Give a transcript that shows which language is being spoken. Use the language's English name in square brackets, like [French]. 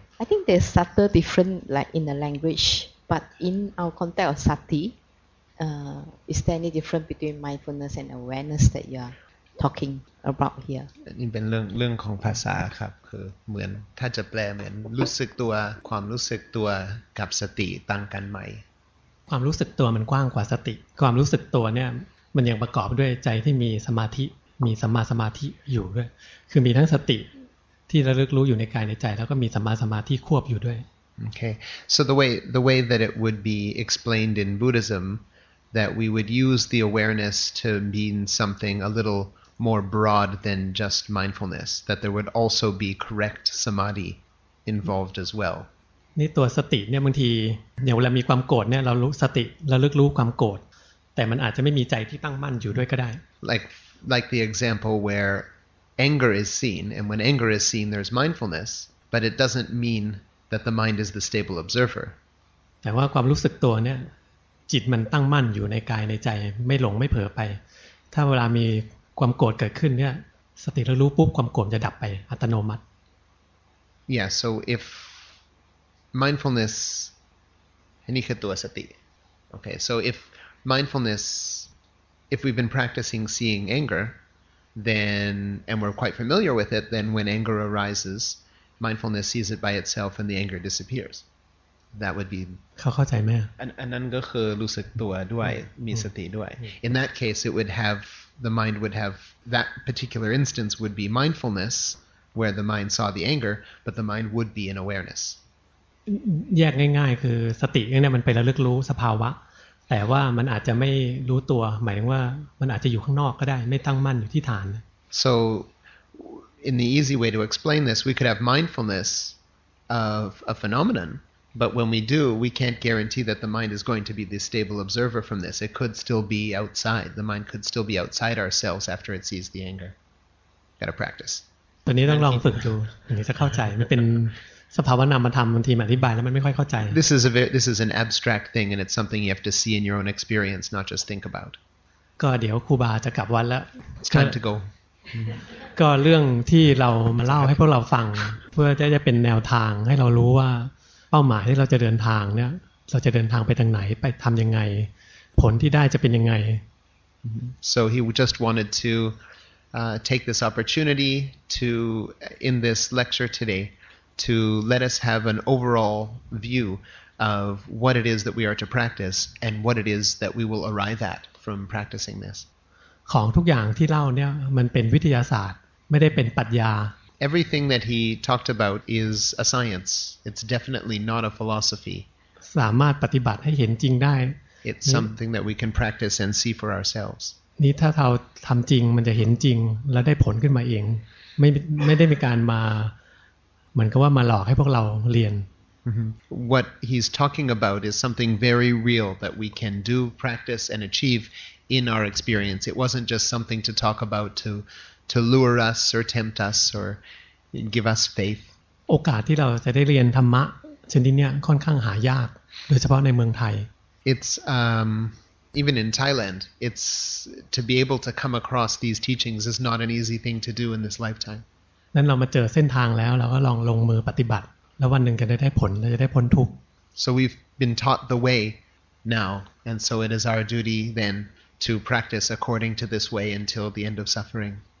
[English] I think there's subtle difference like in the language but in our context of sati is there any difference between mindfulness and awareness that you areTalking about here. [Thai] นี่เป็นเรื่องของภาษาครับคือเหมือนถ้าจะแปลเหมือนรู้สึกตัวความรู้สึกตัวกับสติต่างกันไหม ความรู้สึกตัวมันกว้างกว่าสติความรู้สึกตัวเนี่ยมันยังประกอบด้วยใจที่มีสมาธิมีสัมมาสมาธิอยู่ด้วยคือมีทั้งสติที่ระลึกรู้อยู่ในกายในใจแล้วก็มีสัมมาสมาธิควบอยู่ด้วย [English] โอเค so the way that it would be explained in Buddhism that we would use the awareness to mean something a littlemore broad than just mindfulness that there would also be correct samadhi involved as well [Thai] นี่ตัวสติเนี่ยบางทีเนี่ยเวลามีความโกรธเนี่ยเรารู้สติระลึกรู้ความโกรธแต่มันอาจจะไม่มีใจที่ตั้งมั่นอยู่ด้วยก็ได้ [English] like the example where anger is seen and when anger is seen there's mindfulness but it doesn't mean that the mind is the stable observer [Thai] แต่ว่าความรู้สึกตัวเนี่ยจิตมันตั้งมั่นอยู่ในกายในใจไม่หลงไม่เผลอไปถ้าเวลามีความโกรธเกิดขึ้นเนี่ยสติระลึกปุ๊บความโกรธจะดับไปอัตโนมัติ [English] Yeah so if mindfulness [Thai] นี่คือตัวสติ [English] Okay so if mindfulness if we've been practicing seeing anger then and we're quite familiar with it then when anger arises mindfulness sees it by itself and the anger disappears that would be [Thai] เข้าใจไหม อันนั้นก็คือรู้สึกตัวด้วยมีสติด้วย [English] In that case it would haveThe mind would have that particular instance would be mindfulness, where the mind saw the anger, but the mind would be in awareness. [Thai] แยกง่ายๆคือสติเนี่ยมันไประลึกรู้สภาวะแต่ว่ามันอาจจะไม่รู้ตัวหมายถึงว่ามันอาจจะอยู่ข้างนอกก็ได้ไม่ตั้งมั่นอยู่ที่ฐาน [English] So, in the easy way to explain this, we could have mindfulness of a phenomenon, but when we do, we can't guarantee that the mind is going to be the stable observer from this. It could still be outside. The mind could still be outside ourselves after it sees the anger. Got to practice. [Thai] ตอนนี้ต้องลองฝึกดูถึงจะเข้าใจมันเป็นสภาวะนามธรรมบางทีมันอธิบายแล้วมันไม่ค่อยเข้าใจ [English] This is an abstract thing and it's something you have to see in your own experience, not just think about. [Thai] ก็เดี๋ยวครูบาจะกลับวัดแล้ว [English] It's time to go. [Thai] ก็เรื่องที่เรามาเล่าให้พวกเราฟังเพื่อจะเป็นแนวทางให้เรารู้ว่าเป้าหมายที่เราจะเดินทางเนี่ยเราจะเดินทางไปทางไหนไปทำยังไงผลที่ได้จะเป็นยังไง [English] So he just wanted to take this opportunity to in this lecture today to let us have an overall view of what it is that we are to practice and what it is that we will arrive at from practicing this [Thai] ของทุกอย่างที่เล่าเนี่ยมันเป็นวิทยาศาสตร์ไม่ได้เป็นปรัชญา [English] Everything that he talked about is a science. It's definitely not a philosophy. [Thai] สามารถปฏิบัติให้เห็นจริงได้ [English] It's something that we can practice and see for ourselves. [Thai] นี่ถ้าเราทำจริงมันจะเห็นจริงแล้วได้ผลขึ้นมาเองไม่ได้มีการมาเหมือนกับว่ามาหลอกให้พวกเราเรียน [English] What he's talking about is something very real that we can do, practice, and achieve in our experience. It wasn't just something to talk about to lure us or tempt us or give us faith [Thai] โอกาสที่เราจะได้เรียนธรรมะชนิดเนี้ยค่อนข้างหายากโดยเฉพาะในเมืองไทย [English] It's even in Thailand it's to be able to come across these teachings is not an easy thing to do in this lifetime [Thai] นั้นเรามาเจอเส้นทางแล้วเราก็ลองลงมือปฏิบัติแล้ววันนึงก็ได้ผลเราจะได้พ้นทุกข์ [English] So we've been taught the way now and so it is our duty then to practice according to this way until the end of suffering.